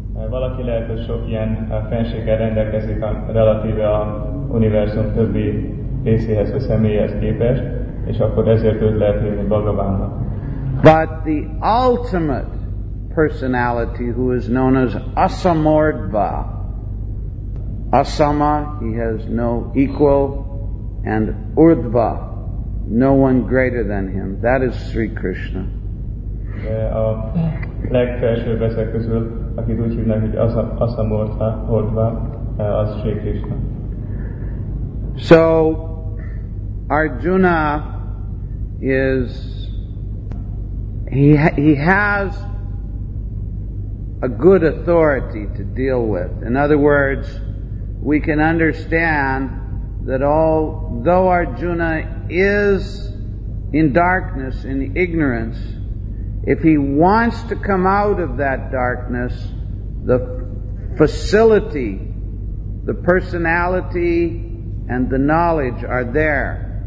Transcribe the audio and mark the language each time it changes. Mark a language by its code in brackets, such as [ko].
[hu] Valaki lehet, hogy sok ilyen fenséggel rendelkezik a relatíve a univerzum többi részéhez vagy személyhez képest, és akkor ezért őt lehet hívni Bhagavánnak. [en] But the ultimate personality who is known as Asamordva, Asama, he has no equal, and Urdva, no one greater than him. That is Sri Krishna. [hu] A legfelsőbb ezek közül, akit úgy hívnak, hogy Asamordva, Urdva, az Sri Krishna. [en] So, Arjuna is, he has a good authority to deal with. In other words, we can understand that although Arjuna is in darkness, in ignorance, if he wants to come out of that darkness, the facility, the personality, and the knowledge are there.